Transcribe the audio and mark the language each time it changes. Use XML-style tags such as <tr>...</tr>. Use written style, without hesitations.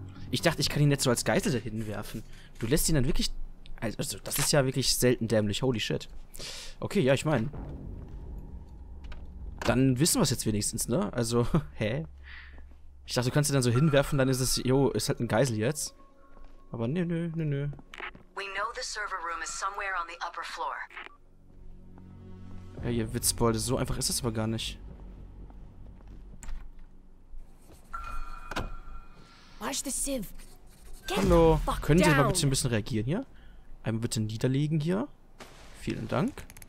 <de>Ich dachte, ich kann ihn jetzt so als Geisel dahin werfen. Du lässt ihn dann wirklich... Also, das ist ja wirklich selten dämlich.</de> <en>Holy shit.</en> <de>Okay, ja, ich meine. Dann wissen wir es jetzt wenigstens, ne? Also, hä? Ich dachte, du kannst ihn dann so hinwerfen, dann ist es... Jo, ist halt ein Geisel jetzt. Aber nö, nö, nö, nö.</de> <en>We know the server room is somewhere on the upper floor.</en> <de>Ja, ihr Witzbolde, so einfach ist das aber gar nicht. Hallo. Können Sie mal bitte ein bisschen reagieren hier? Einmal bitte niederlegen hier. Vielen Dank.</de>